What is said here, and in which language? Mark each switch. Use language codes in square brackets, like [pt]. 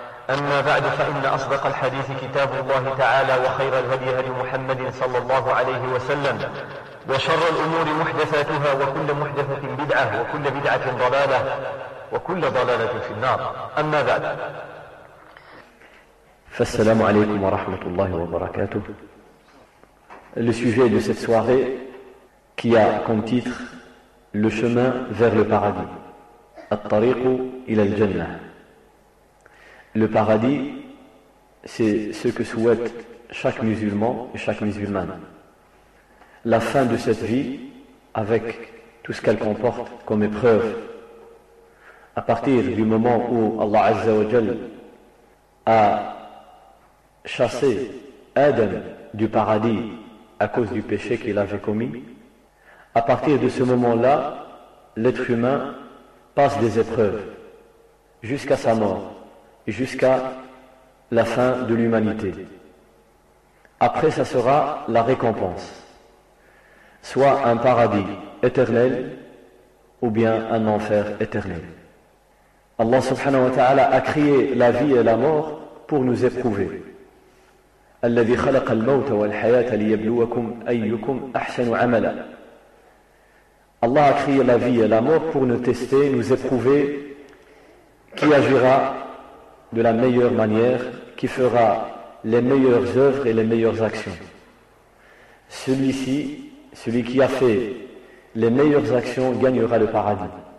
[ar] أما بعد، فإن أصدق الحديث كتاب الله تعالى، وخير الهدي هدي محمد صلى الله عليه وسلم، وشر الأمور محدثاتها، وكل محدثة بدعة، وكل بدعة ضلالة، وكل ضلالة في النار. أما بعد، فالسلام عليكم ورحمة الله وبركاته. [fr] Le sujet de cette soirée qui a comme titre Le chemin vers le paradis. [ar] الطريق إلى الجنة. [fr] Le paradis, c'est ce que souhaite chaque musulman et chaque musulmane. La fin de cette vie, avec tout ce qu'elle comporte comme épreuve, à partir du moment où Allah Azza wa Jal a chassé Adam du paradis à cause du péché qu'il avait commis, à partir de ce moment-là, l'être humain passe des épreuves jusqu'à sa mort. Jusqu'à la fin de l'humanité. Après, ça sera la récompense. Soit un paradis éternel, ou bien un enfer éternel. Allah subhanahu wa ta'ala a créé la vie et la mort pour nous éprouver. [ar] الذي خلق الموت والحياة ليبلوكم أيكم أحسن عملا. [fr] Allah a créé la vie et la mort pour nous tester, nous éprouver qui agira de la meilleure manière, qui fera les meilleures œuvres et les meilleures actions. Celui-ci, celui qui a fait les meilleures actions, gagnera le paradis.